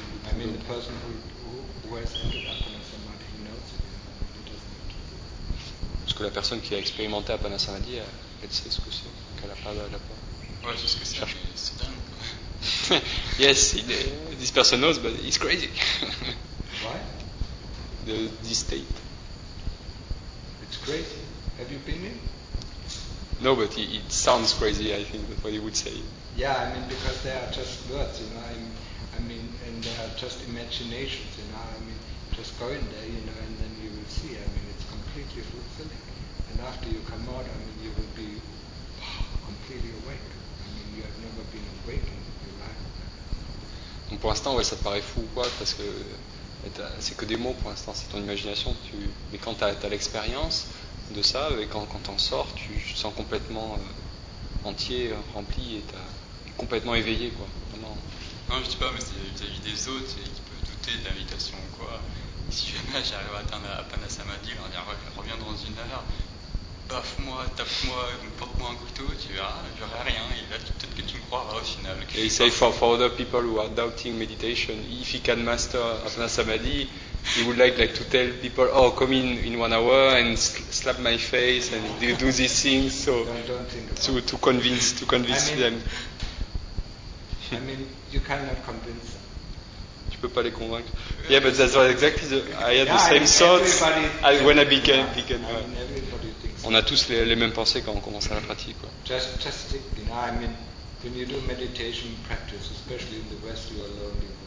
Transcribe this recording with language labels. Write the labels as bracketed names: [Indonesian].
[English] I mean, the person who has entered Apana Samadhi, he knows it. It doesn't matter. [French] Parce que la personne qui a expérimenté Apana Samadhi, elle sait ce que c'est. Donc elle a pas la peur. Ouais, c'est ce que c'est. C'est dingue. [English] Yes, this person knows, but it's crazy. Why? This state. It's crazy. Have you been in? No, but it sounds crazy, I think, that's what he would say. Yeah, I mean, because they are just words, you know. I mean, and they are just imaginations, you know. I mean, just go in there, you know, and then you will see. I mean, it's completely fulfilling. And after you come out, I mean, you will be completely awake. I mean, you have never been awake in your life. [French] Donc pour l'instant, ouais, ça te paraît fou ou quoi? Parce que c'est que des mots pour l'instant, c'est ton imagination. Mais quand t'as l'expérience de ça, et quand t'en sors, tu te sens complètement entier, rempli, et t'as complètement éveillé, quoi. Vraiment. Non, je dis pas, mais c'est vis-à-vis des autres qui peuvent douter de l'invitation, quoi. Si jamais j'arrive à atteindre Apana Samadhi, on va dire, reviens dans une heure, baffe-moi, tape-moi, porte-moi un couteau, tu verras, j'aurai rien, et là, peut-être que tu me croiras au final. Et il dit, [English] for other people who are doubting meditation, if he can master Apana Samadhi, he would like to tell people, oh, come in 1 hour and slap my face and do these things, so to convince I mean, them. I mean, you cannot convince them. [French] Tu peux pas les convaincre. [English] Yeah, but that's exactly I had the same thoughts when I began. I mean, everybody thinks. [French] On a tous les mêmes pensées quand on commence à la pratique, quoi. [English] Just think, you know, I mean, when you do meditation practice, especially in the West, you are lonely.